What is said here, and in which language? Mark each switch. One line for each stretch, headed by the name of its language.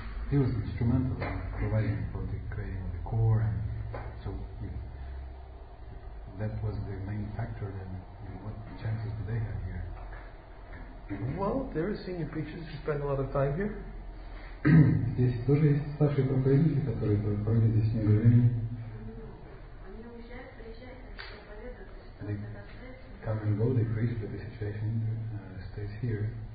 English: He was instrumental in providing for the creating of the core, and so that was the main factor. Then what chances do they have here? Well, there are senior preachers who spend a lot of time here.
Russian: Здесь тоже есть старшие проповедники, которые проводят здесь много времени. Они уезжают, приезжают,
English: come and go, they preach, but the situation stays here.